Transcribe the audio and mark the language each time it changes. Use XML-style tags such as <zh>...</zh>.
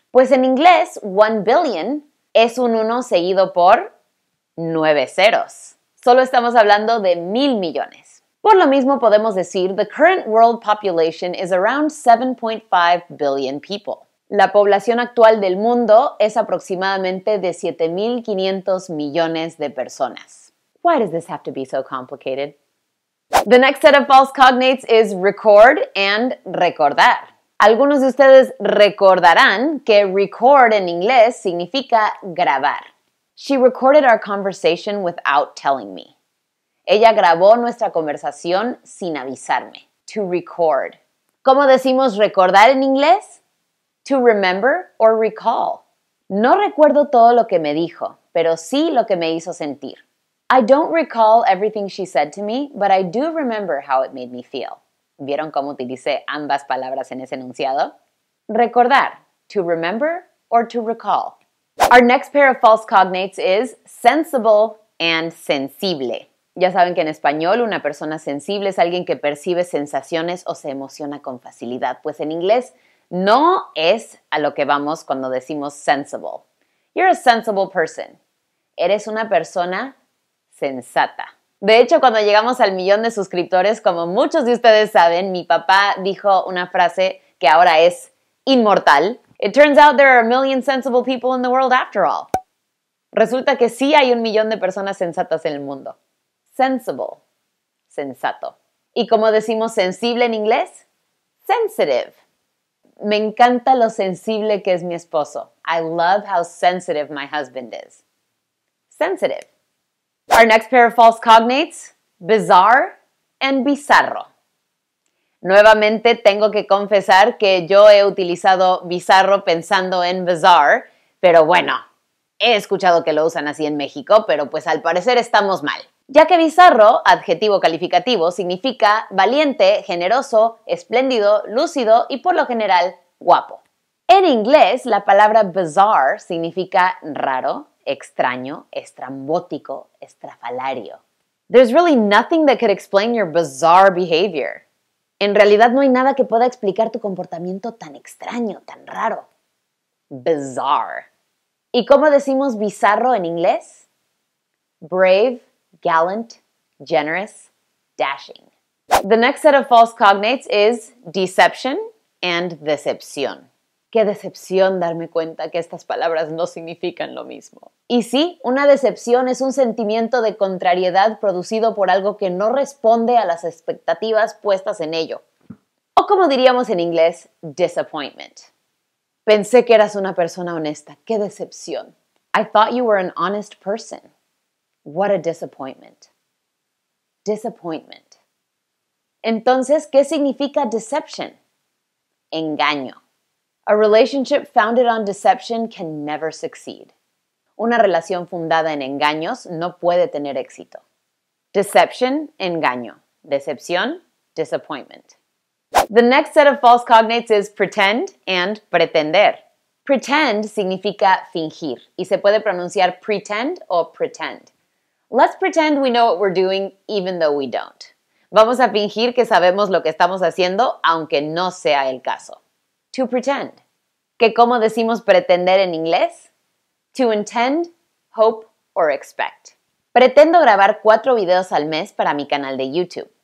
<es>Pues en inglés, 1 billion es un 1 seguido por 9 ceros. Solo estamos hablando de 1,000 millones. Por lo mismo podemos decir,</es> <en>the current world population is around 7.5 billion people.</en> <es>La población actual del mundo es aproximadamente de 7,500 millones de personas.</es> <en>Why does this have to be so complicated? The next set of false cognates is record and recordar.</en> <es>Algunos de ustedes recordarán que record en inglés significa grabar.</es> <en>She recorded our conversation without telling me.</en> <es>Ella grabó nuestra conversación sin avisarme.</es> <en>To record.</en> <es>¿Cómo decimos recordar en inglés?</es> <en>To remember or recall.</en> <es>No recuerdo todo lo que me dijo, pero sí lo que me hizo sentir.</es> <en>I don't recall everything she said to me, but I do remember how it made me feel.</en> <es>¿Vieron cómo utilicé ambas palabras en ese enunciado?</es> <en>Recordar, to remember or to recall. Our next pair of false cognates is sensible and sensible.</en> <es>Ya saben que en español una persona sensible es alguien que percibe sensaciones o se emociona con facilidad. Pues en inglés no es a lo que vamos cuando decimos sensible.</es> <en>You're a sensible person.</en> <es>Eres una persona sensata. De hecho, cuando llegamos al millón de suscriptores, como muchos de ustedes saben, mi papá dijo una frase que ahora es inmortal.</es> <en>It turns out there are 1,000,000 sensible people in the world after all.</en> <es>Resulta que sí hay 1,000,000 de personas sensatas en el mundo. Sensible. Sensato. ¿Y cómo decimos sensible en inglés? Sensitive. Me encanta lo sensible que es mi esposo.</es> <en>I love how sensitive my husband is. Sensitive. Our next pair of false cognates, bizarre and bizarro.</en> <es>Nuevamente tengo que confesar que yo he utilizado bizarro pensando en bizarre, pero bueno, he escuchado que lo usan así en México, pero pues al parecer estamos mal. Ya que bizarro, adjetivo calificativo, significa valiente, generoso, espléndido, lúcido y por lo general, guapo. En inglés, la palabra bizarre significa raro, extraño, estrambótico, estrafalario.</es> <en>There's really nothing that could explain your bizarre behavior.</en> <es>En realidad no hay nada que pueda explicar tu comportamiento tan extraño, tan raro. Bizarre. ¿Y cómo decimos bizarro en inglés?</es> <en>Brave, gallant, generous, dashing. The next set of false cognates is deception and decepción.</en> <es>Qué decepción darme cuenta que estas palabras no significan lo mismo. Y sí, una decepción es un sentimiento de contrariedad producido por algo que no responde a las expectativas puestas en ello. O como diríamos en inglés, disappointment. Pensé que eras una persona honesta. Qué decepción.</es> <en>I thought you were an honest person. What a disappointment. Disappointment.</en> <es>Entonces, ¿qué significa deception? Engaño.</es> <en>A relationship founded on deception can never succeed.</en> <es>Una relación fundada en engaños no puede tener éxito. Deception, engaño. Decepción, disappointment.</es> <en>The next set of false cognates is pretend and pretender.</en> <es>Pretend significa fingir y se puede pronunciar pretend o pretend.</es> <en>Let's pretend we know what we're doing even though we don't.</en> <es>Vamos a fingir que sabemos lo que estamos haciendo aunque no sea el caso. To pretend. ¿Qué cómo decimos pretender en inglés?</es> <en>To intend, hope, or expect.</en> <es>Pretendo grabar 4 videos al mes para mi canal de YouTube.</es>